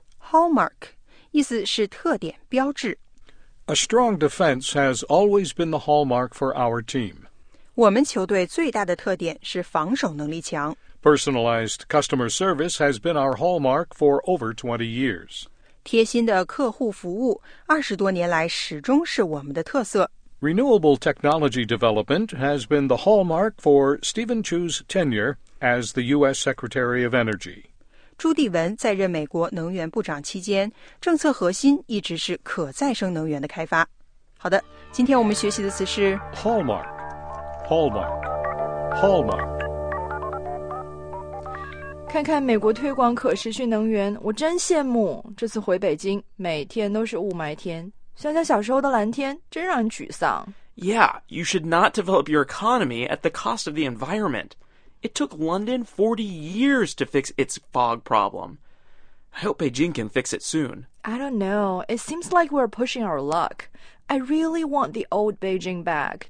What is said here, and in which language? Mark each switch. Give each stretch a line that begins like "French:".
Chinese: Hallmark, 意思是特点、标志。
English: A strong defense has always been the hallmark for our team.
Chinese: 我们球队最大的特点是防守能力强。
English: Personalized customer service has been our hallmark for over 20 years.
Chinese: 贴心的客户服务20多年来始终是我们的特色。
English: Renewable technology development has been the hallmark for Stephen Chu's tenure as the U.S. Secretary of Energy.
Chinese: 朱棣文在任美国能源部长期间，政策核心一直是可再生能源的开发。好的，今天我们学习的词是
English: Hallmark, Hallmark, Hallmark.
Chinese: 看看美国推广可持续能源，我真羡慕。这次回北京，每天都是雾霾天，想想小时候的蓝天，真让人沮丧。
English: Yeah, you should not develop your economy at the cost of the environment. It took London 40 years to fix its fog problem. I hope Beijing can fix it soon. I don't know. It seems like we're pushing our luck. I really want the old Beijing back.